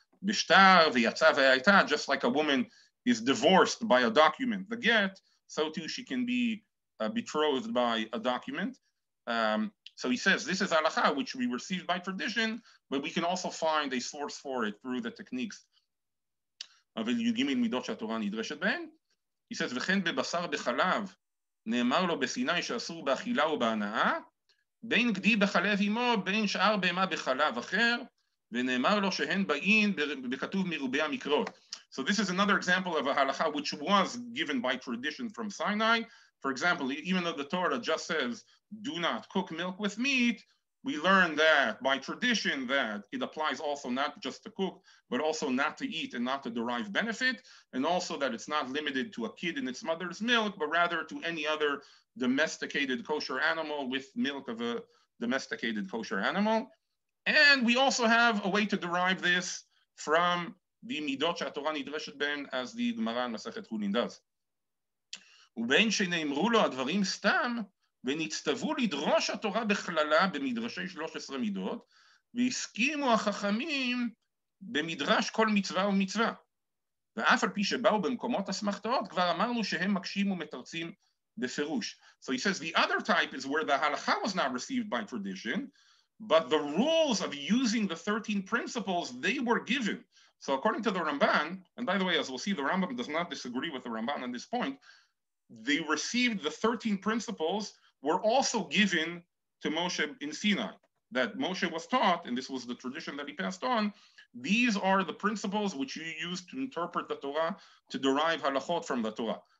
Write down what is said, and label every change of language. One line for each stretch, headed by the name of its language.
Hebrew: Bishtar, v'yatza v'ayta,
English: just like a woman is divorced by a document, the get, so too she can be betrothed by a document. So he says, this is halakha, which we received by tradition, but we can also find a source for it through the techniques.
Hebrew: אבל יגימין מידות שהתורה נדרשת בהן.
English: He says,
Hebrew: וכן בבשר בחלב, נאמר לו בסיני שאסור באכילה ובהנאה, בין גדי בחלב אמו, בין שאר בהמה בחלב אחר, ונאמר לו שהן באין בכתוב מרובי המקרות.
English: So this is another example of a halakha which was given by tradition from Sinai. For example, even though the Torah just says, do not cook milk with meat, we learn that by tradition that it applies also not just to cook, but also not to eat and not to derive benefit, and also that it's not limited to a kid in its mother's milk, but rather to any other domesticated kosher animal with milk of a domesticated kosher animal. And we also have a way to derive this from the
Hebrew: Midot Shatorah Nidreshet Ben,
English: as the Gemara in Masechet Chulin does.
Hebrew: ובין שנאמרו לו הדברים סתם, ונצטוו לדרוש התורה בכללה במדרשי 13 מידות, והסכימו החכמים במדרש כל מצווה ומצווה. ואף על פי שבאו במקומות הסמכתאות, כבר אמרנו שהם מקשים ומתרצים בפירוש.
English: So he says, the other type is where the halakha was not received by tradition, but the rules of using the 13 principles, they were given. So according to the Ramban, and by the way, as we'll see, the Rambam does not disagree with the Ramban on this point, they received the 13 principles were also given to Moshe in Sinai, that Moshe was taught, and this was the tradition that he passed on, these are the principles which you use to interpret the Torah, to derive halachot from the Torah.